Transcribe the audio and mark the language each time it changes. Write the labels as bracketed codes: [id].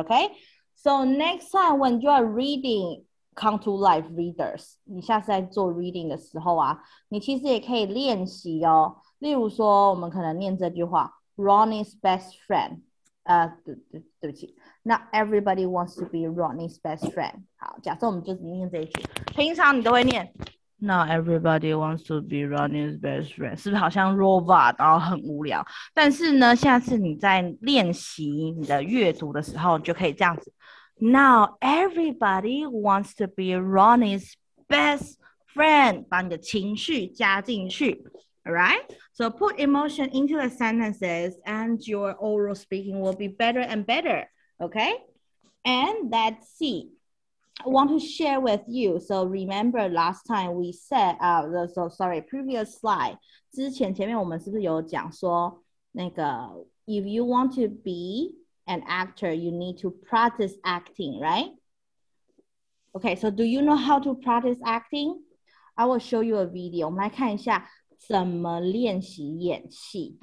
[en] Okay, so next time when you are reading, come to live readers. [zh] 你下次在做 reading 的时候啊，你其实也可以练习哦。例如说，我们可能念这句话 ， [en] Ronnie's best friend. [zh] 对不起。 [en] Not everybody wants to be Ronnie's best friend. [zh] 好，假设我们就只念这一句，平常你都会念。 [en] Not everybody wants to be Ronnie's best friend. [zh] 是不是好像 robot 然后很无聊？但是呢，下次你在练习你的阅读的时候，你就可以这样子。 [en] Now everybody wants to be Ronnie's best friend. [zh] 把你的情绪加进去。 [en] Alright? So put emotion into the sentences and your oral speaking will be better and better. Okay? And let's see. I want to share with you. So remember last time we said, previous slide. [zh] 之前前面我们是不是有讲说那个 [en] if you want to be an actor, you need to practice acting, right? Okay, so do you know how to practice acting? I will show you a video. [zh] 我们来看一下怎么练习演戏。